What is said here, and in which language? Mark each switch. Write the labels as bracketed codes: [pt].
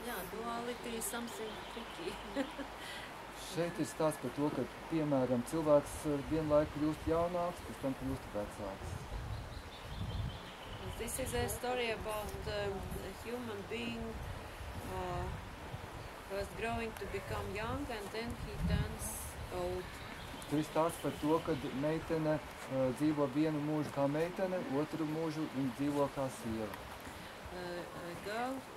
[en] Duality is something tricky. [lv] Šeit ir stāsts par to, ka, piemēram, cilvēks vienlaiku kļūst jaunāks, pēc tam kļūst vecāks. [en] This is a story about a human being who was growing to become young and then he turns old. [lv] Tur ir stāsts par to, ka meitene dzīvo vienu mūžu kā meitene, otru mūžu viņa dzīvo kā sieva.